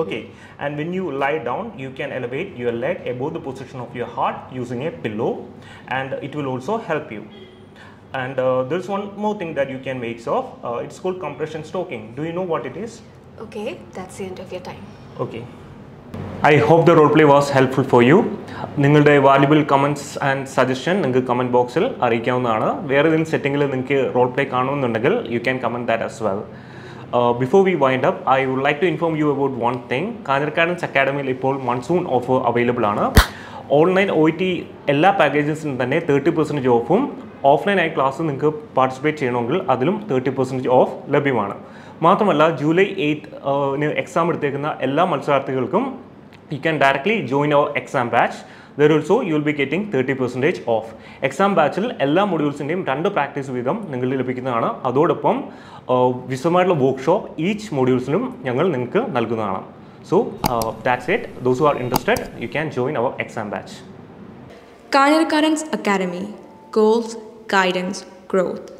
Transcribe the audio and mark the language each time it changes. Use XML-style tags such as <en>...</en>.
<en>Okay, and when you lie down, you can elevate your leg above the position of your heart using a pillow, and it will also help you. And there's one more thing that you can make of. It's called compression stocking. Do you know what it is? Okay, that's the end of your time. Okay. I hope the role play was helpful for you.</en> <ml>നിങ്ങളുടെ valuable comments and suggestion നിങ്ങൾക്ക് comment ബോക്സിൽ അറിയിക്കാവുന്നതാണ്. വേറെ ഏതെങ്കിലും സെറ്റിംഗിൽ നിങ്ങൾക്ക് role play കാണുമെന്നുണ്ടെങ്കിൽ</ml> <en>You can comment that as well. Before we wind up, I would like to inform you about one thing.</en> <ml>Kanjirakadans Academy-il ippol monsoon offer available aanu. Online OET ella packages-il thanne 30% offum, offline ആയി class നിങ്ങൾക്ക് participate ചെയ്യണമെങ്കിൽ അതിലും 30% of ലഭ്യമാണ്. മാത്രമല്ല July 8th exam എടുത്തേക്കുന്ന എല്ലാ മത്സരാർത്ഥികൾക്കും</ml> <en>You can directly join our exam batch. There also you will be getting 30% off.</en> <ml>Exam ബാച്ചിൽ എല്ലാ മൊഡ്യൂൾസിൻ്റെയും രണ്ട് പ്രാക്ടീസ് വീതം നിങ്ങൾ ലഭിക്കുന്നതാണ്. അതോടൊപ്പം വിശദമായിട്ടുള്ള വർക്ക്ഷോപ്പ് ഈച്ച് മൊഡ്യൂൾസിലും ഞങ്ങൾ നിങ്ങൾക്ക് നൽകുന്നതാണ്.</ml> <en>So that's it. Those who are interested you can join our exam batch. Kanjirakadans Academy, goals, guidance, growth.</en>